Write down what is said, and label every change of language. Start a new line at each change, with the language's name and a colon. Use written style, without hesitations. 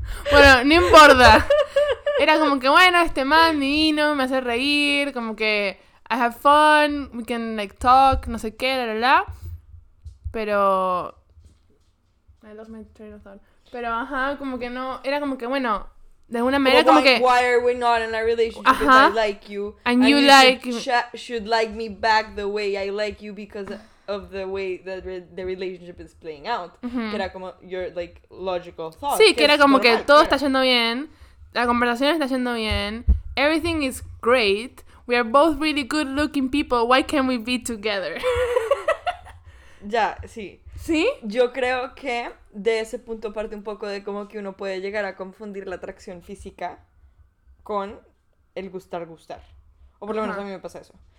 Spanish: Bueno, no importa. Era como que, bueno, este man divino, me hace reír, como que
English: I have fun, we can like talk,
Spanish: no sé qué, la. Pero
English: I lost my train of thought.
Spanish: Pero ajá, como que no, era como que bueno, de alguna manera como que
English: why are we not in a relationship?
Spanish: Ajá,
English: I like you. And you like should like me back the way I like you because of the way that the relationship is playing out. Uh-huh.
Spanish: Que era como
English: your like logical thought.
Spanish: Sí, que era como que todo está yendo bien. La conversación está yendo bien.
English: Everything is great. We are both really good looking people. Why can't we be together?
Spanish: Ya, sí. ¿Sí? Yo creo que de ese punto parte un poco de como que uno puede llegar a confundir la atracción física con el gustar. O por lo menos a mí me pasa eso.